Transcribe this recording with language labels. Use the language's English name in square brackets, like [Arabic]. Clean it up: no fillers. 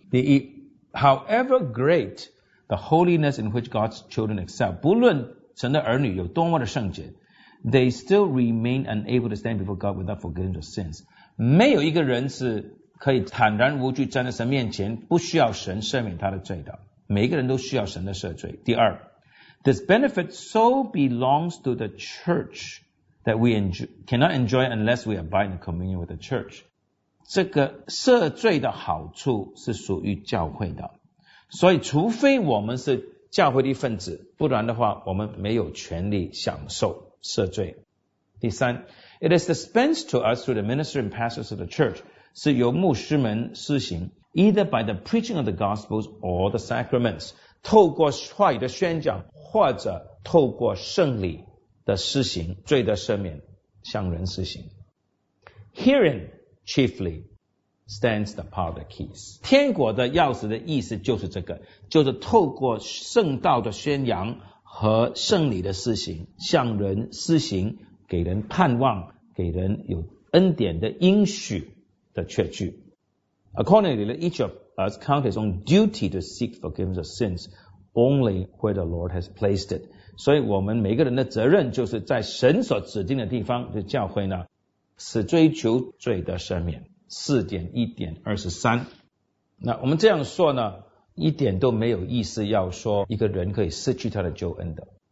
[English] 第一， However great the holiness in which God's children excel， [Chinese] 不论神的儿女有多么的圣洁， [English] They still remain unable to stand before God without forgiveness of sins。 [Chinese] 没有一个人是可以坦然无惧站在神面前不需要神赦免他的罪的，每个人都需要神的赦罪。 [English] 第二， This benefit so belongs to the church that we cannot enjoy unless we abide in communion with the church。 [Chinese] 这个赦罪的好处是属于教会的，所以除非我们是教会的一份子，不然的话我们没有权利享受赦罪。 [English] 第三， It is dispensed to us through the ministering pastors of the church， [Chinese] 是由牧师们施行， [English] either by the preaching of the gospels or the sacraments， [Chinese] 透过话语的宣讲或者透过圣礼的施行，罪的赦免向人施行。 [English] Herein chiefly stands the power of the keys。 [Chinese] 天国的钥匙的意思就是这个，就是透过圣道的宣扬和圣礼的施行向人施行，给人盼望，给人有恩典的应许的确据。 [English] Accordingly, each of us counts his own duty to seek forgiveness of sins only where the Lord has placed it. [Chinese] 所以我们每个人的责任就是在神所指定的地方的教会呢，是追求罪的赦免。 4.1.23 那我们这样说呢，一点都没有意思要说一个人可以失去他的救恩的。